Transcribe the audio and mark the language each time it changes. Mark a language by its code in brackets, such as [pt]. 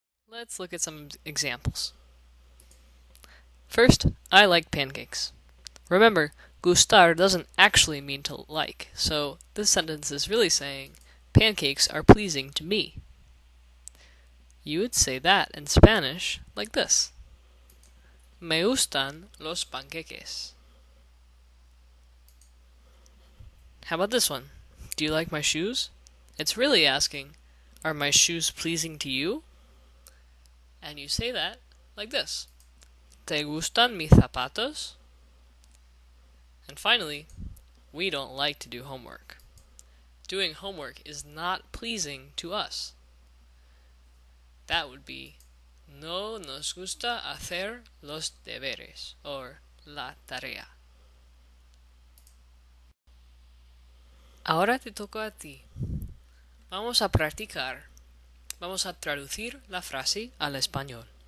[en] Let's look at some examples. First, I like pancakes. Remember, gustar doesn't actually mean to like, so this sentence is really saying, pancakes are pleasing to me. You would say that in Spanish like this. [es] Me gustan los panqueques. [en] How about this one? Do you like my shoes? It's really asking, are my shoes pleasing to you? And you say that like this. [es] ¿Te gustan mis zapatos? [en] And finally, we don't like to do homework. Doing homework is not pleasing to us. That would be, [es] no nos gusta hacer los deberes, or la tarea. Ahora te toca a ti. Vamos a practicar. Vamos a traducir la frase al español.